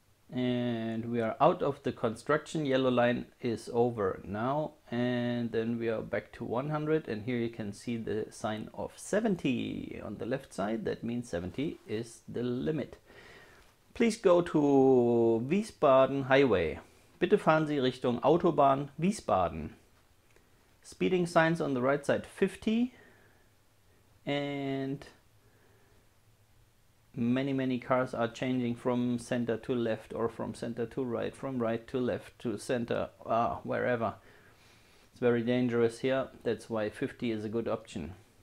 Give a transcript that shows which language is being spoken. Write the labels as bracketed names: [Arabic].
[English] And we are out of the construction. Yellow line is over now. And then we are back to 100. And here you can see the sign of 70 on the left side. That means 70 is the limit. Please go to Wiesbaden Highway. [German] Bitte fahren Sie Richtung Autobahn Wiesbaden. [English] Speeding signs on the right side 50. And many, many cars are changing from center to left or from center to right, from right to left to center, wherever. It's very dangerous here. That's why 50 is a good option.